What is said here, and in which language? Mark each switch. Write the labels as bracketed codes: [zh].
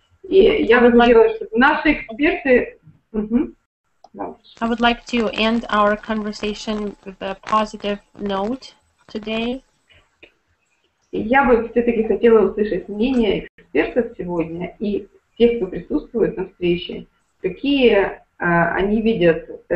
[ru] И я бы хотела, чтобы наши эксперты... [en] I would like to end our conversation with a positive note today. [ru] Я бы все-таки хотела услышать мнение экспертов сегодня и тех, кто присутствует на встрече, какие они видят...